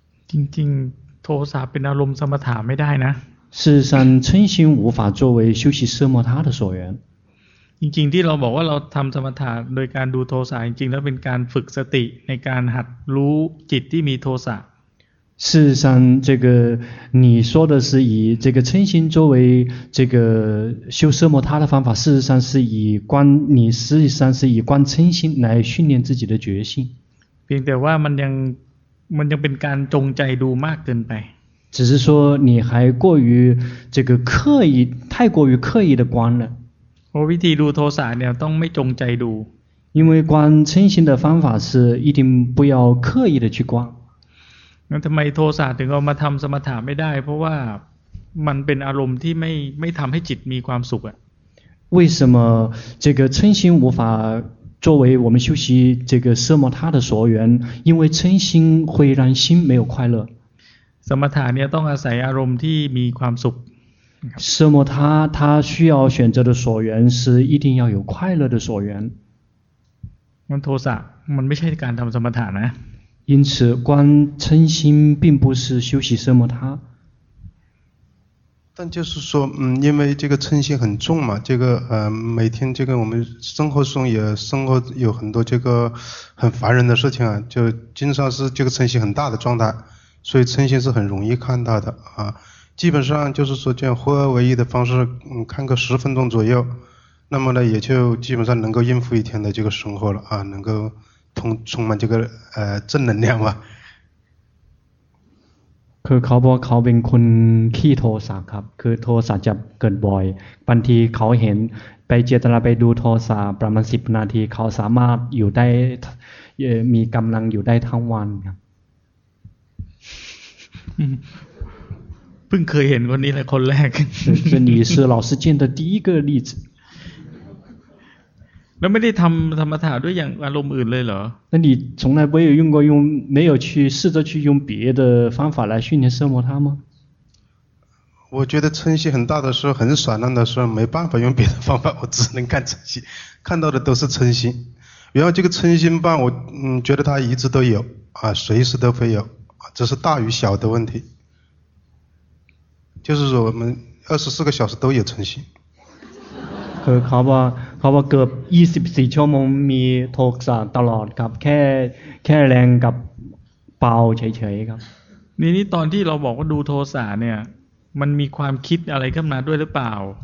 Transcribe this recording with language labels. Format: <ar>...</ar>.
<th>จริงๆโทสะเป็นอารมณ์สมถะไม่ได้นะ</th> <zh>事实上嗔心无法作为修习奢摩他的所缘</zh> <th>จริงๆที่เราบอกว่าเราทำสมถะโดยการดูโทสะจริงๆแล้วเป็นการฝึกสติในการหัดรู้จิตที่มีโทสะ</th> <zh>事实上这个你说的是以这个嗔心作为这个修奢摩他的方法事实上是以观你实际上是以观嗔心来训练自己的觉性</zh> <th>เพียงแต่ว่ามันยังเป็นการจงใจดูมากเกินไป</th> <zh>只是说你还过于这个刻意太过于刻意的观了</zh> <th>วิธีดูโทสะเนี่ยต้องไม่จงใจดู</th> <zh>因为观嗔心的方法是一定不要刻意的去观</zh> <th>งั้นทำไมโทสะถึงเอามาทำสมถะไม่ได้เพราะว่ามันเป็นอารมณ์ที่ไม่ทำให้จิตมีความสุขอ่ะ</th> <zh>为什么这个嗔心无法作为我们修习这个奢摩他的所缘因为嗔心会让心没有快乐</zh> <th>สมถะเนี่ยต้องอาศัยอารมณ์ที่มีความสุข</th> <zh>奢摩他他需要选择的所缘是一定要有快乐的所缘</zh> <th>งั้นโทสะมันไม่ใช่การทำสมถะนะ</th> <zh>因此观嗔心并不是修习奢摩他但就是说因为这个嗔心很重嘛这个每天这个我们生活中也生活有很多这个很烦人的事情啊就经常是这个嗔心很大的状态所以嗔心是很容易看到的啊基本上就是说这样合二为一的方式看个十分钟左右那么呢也就基本上能够应付一天的这个生活了啊能够充满这个正能量嘛</zh> <th>คือเขาบอกเขาเป็นคนขี้โทสะครับคือโทสะจะเกิดบ่อยบางทีเขาเห็นไปเจตนาไปดูโทสะประมาณ10นาทีเขาสามารถอยู่ได้มีกำลังอยู่ได้ทั้งวันครับ เพิ่งเคยเห็นคนนี้เลยคนแรก</th> <zh>คือ你是老师见的第一个例子</zh> <th>แล้วไม่ได้ทำธรรมะด้วยอย่างอารมณ์อื่นเลยเหรอ</th> <zh>那你从来没有用过用没有去试着去用别的方法来训练奢摩他吗我觉得嗔心很大的时候很散乱的时候没办法用别的方法我只能看嗔心看到的都是嗔心然后这个嗔心棒我觉得它一直都有啊随时都会有这是大与小的问题就是说我们24个小时都有嗔心</zh> <th>คือเขาบอกเกือบ24ชั่วโมงมีโทสะตลอดครับแค่แรงกับเป่าเฉยๆครับ นี่ตอนที่เราบอกว่าดูโทสะเนี่ยมันมีความคิดอะไรขึ้นมาด้วยหรือเปล่า</th>